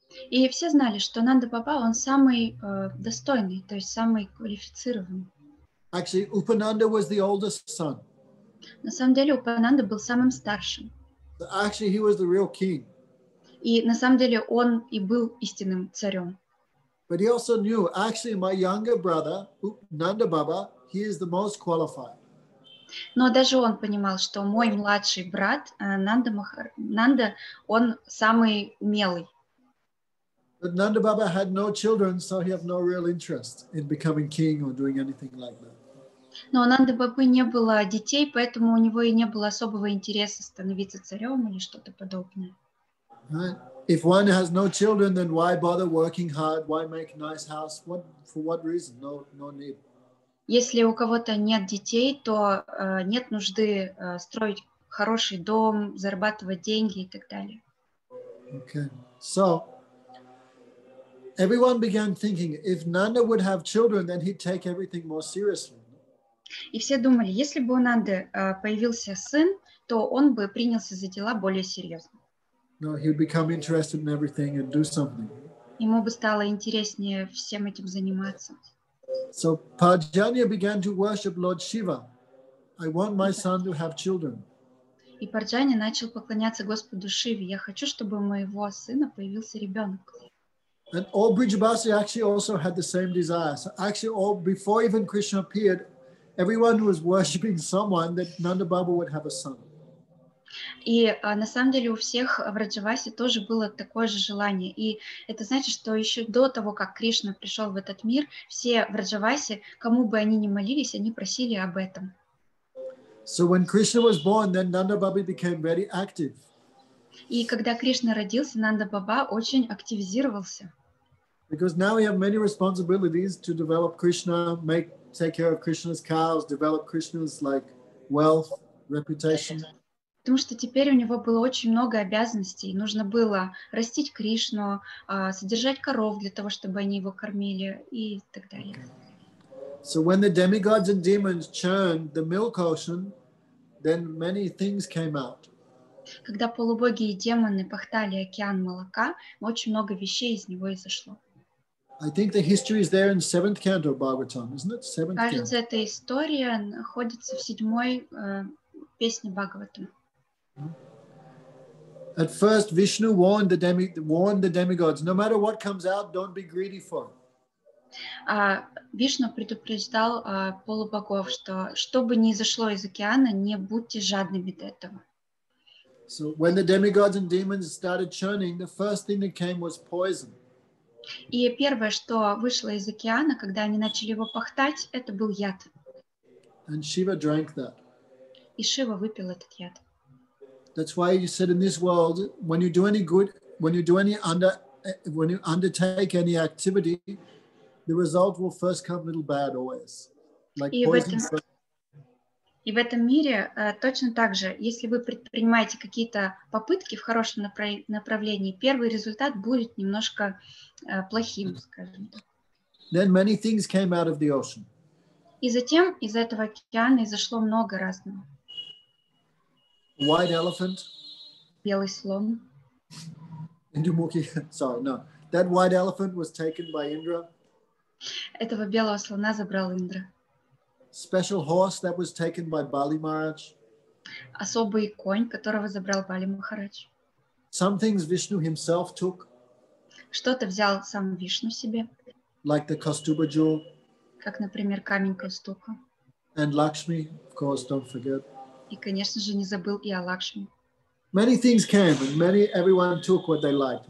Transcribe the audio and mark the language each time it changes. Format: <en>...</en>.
<ru>И все знали, что Нанда Баба, он самый достойный, то есть самый квалифицированный.</ru> <en>Actually, Upananda was the oldest son.</en> <ru>На самом деле, Упананда был самым старшим.</ru> <en>Actually, he was the real king.</en> <ru>И на самом деле, он и был истинным царем.</ru> <en>But he also knew, actually, my younger brother, Нанда Баба, he is the most qualified.</en> <ru>Но даже он понимал, что мой младший брат, Нанда, он самый умелый.</ru> <en>But Nanda Baba had no children, so he had no real interest in becoming king or doing anything like that.</en> <ru>Но у Нанды Бабы не было детей, поэтому у него и не было особого интереса становиться царем или что-то подобное.</ru> <en>Right. If one has no children, then why bother working hard? Why make a nice house? What for what reason? No need.</en> <ru>Если у кого-то нет детей, то нет нужды строить хороший дом, зарабатывать деньги и так далее.</ru> <en>Okay. So everyone began thinking, if Nanda would have children, then he'd take everything more seriously.</en> <ru>И все думали, если бы у Нанды появился сын, то он бы принялся за дела более серьезно.</ru> <en>No, he'd become interested in everything and do something.</en> <ru>Ему бы стало интереснее всем этим заниматься.</ru> <en>So Parjanya began to worship Lord Shiva. I want my son to have children.</en> <ru>И Парджанья начал поклоняться Господу Шиве. Я хочу, чтобы у моего сына появился ребенок.</ru> <en>And all Brijabasi actually also had the same desire. So actually, all before even Krishna appeared, everyone was worshiping someone that Nanda Baba would have a son.</en> <ru>И на самом деле у всех в Раджавасе тоже было такое же желание. И это значит, что еще до того, как Кришна пришел в этот мир, все в Раджавасе, кому бы они ни молились, они просили об этом.</ru> <en>So when Krishna was born, then Nanda Baba became very active.</en> <ru>И когда Кришна родился, Нанда Баба очень активизировался.</ru> <en>Because now we have many responsibilities to develop Krishna, take care of Krishna's cows, develop Krishna's like wealth, reputation.</en> <ru>Потому что теперь у него было очень много обязанностей. Нужно было растить Кришну, содержать коров для того, чтобы они его кормили и так далее.</ru> <en>Okay. So when the demigods and demons churned the milk ocean, then many things came out.</en> <ru>Когда полубоги и демоны пахтали океан молока, очень много вещей из него изошло.</ru> <en>I think the history is there in the seventh canto of Bhagavatam, isn't it? Seventh canto.</en> <ru>Кажется, эта история находится в седьмой песне Бхагаватам.</ru> <en>At first, Vishnu warned the demigods, no matter what comes out, don't be greedy for it.</en> <ru>Вишну предупреждал полубогов, что бы ни изошло из океана, не будьте жадными до этого.</ru> <en>So when the demigods and demons started churning, the first thing that came was poison.</en> <ru>И первое, что вышло из океана, когда они начали его пахтать, это был яд.</ru> <en>And Shiva drank that.</en> <ru>И Шива выпил этот яд.</ru> <en>That's why you said in this world, when you do any good, when you undertake any activity, the result will first come a little bad always, like poison.</en> <ru>И в этом мире точно так же, если вы предпринимаете какие-то попытки в хорошем направлении, первый результат будет немножко плохим, скажем так.</ru> <en>Then many things came out of the ocean.</en> <ru>И затем из этого океана изошло много разного.</ru> <en>White elephant.</en> <ru>Белый слон.</ru> <en>Indumukhi, sorry, no. That white elephant was taken by Indra.</en> <ru>Этого белого слона забрал Индра.</ru> <en>Special horse that was taken by Bali Maharaj.</en> <ru>Особый конь, которого забрал Бали Махарадж.</ru> <en>Some things Vishnu himself took.</en> <ru>Что-то взял сам Вишну себе.</ru> <en>Like the Kastuba jewel.</en> <ru>Как, например, камень Кастука.</ru> <en>And Lakshmi, of course, don't forget.</en> <ru>И, конечно же, не забыл и о Лакшми.</ru> <en>Many things came, and many everyone took what they liked.</en>